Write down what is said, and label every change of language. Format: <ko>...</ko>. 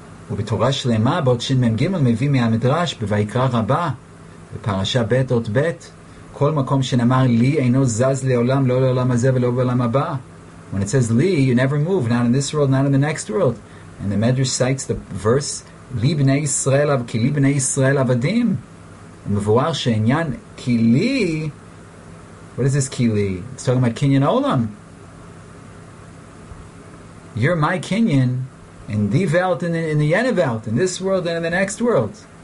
<he>ובתורה שלמה בעוד שין מן ג' מביא מהמדרש בויקרא רבה בפרשה ב' עוד ב', כל מקום שנאמר לי אינו זז לעולם, לא לעולם הזה ולא בעולם הבא.</he> <en>When it says לי, you never move, not in this world, not in the next world. And the Medrash cites the verse,</en> <he>לי בני ישראל, כי לי בני ישראל עבדים. ומבואר שעניין כי לי,</he> <en>what is this</en> <he>כי לי?</he> <en>It's talking about קניין העולם. You're my קניין, in the Welt and in the</en> <yi>Yene Welt,</yi> <en>in this world and in the next world.</en>